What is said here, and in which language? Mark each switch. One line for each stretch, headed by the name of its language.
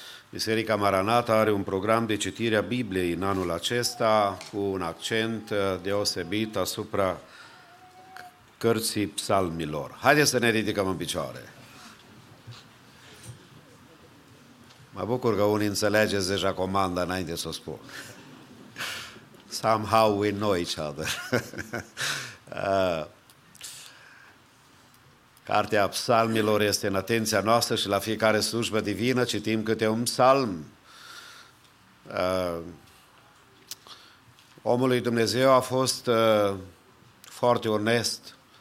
Romanian: Biserica Maranata are un program de citire a Bibliei în anul acesta cu un accent deosebit asupra cărții psalmilor. Haideți să ne ridicăm în picioare! Mă bucur că unii înțelegeți deja comanda înainte să o spun.
English: Somehow we know each other.
Romanian: Cartea psalmilor este în atenția noastră și la fiecare slujbă divină citim câte un psalm. Omului Dumnezeu a fost foarte onest.